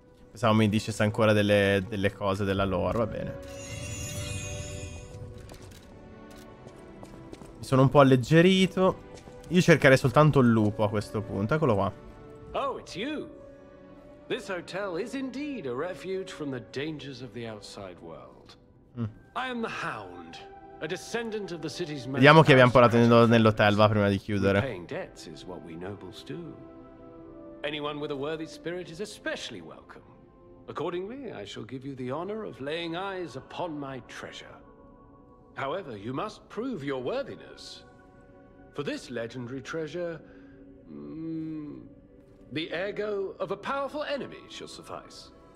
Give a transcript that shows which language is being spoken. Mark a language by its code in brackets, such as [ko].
[it] Pensavo mi dicesse ancora delle cose della lore, va bene. sono un po' alleggerito. Io cercherei soltanto il lupo a questo punto. Eccolo qua. [en] Oh, it's you. This hotel is indeed a refuge from the dangers of the outside world. I am the Hound, a descendant of the city's man. [it] Vediamo chi abbiamo parlato nell'hotel, va, prima di chiudere. [en] Paying debts is what we nobles do. Anyone with a worthy spirit is especially welcome. Accordingly, I shall give you the honor of laying eyes upon my treasure. However, you must prove your worthiness. For this legendary treasure, the ego of a powerful enemy shall suffice.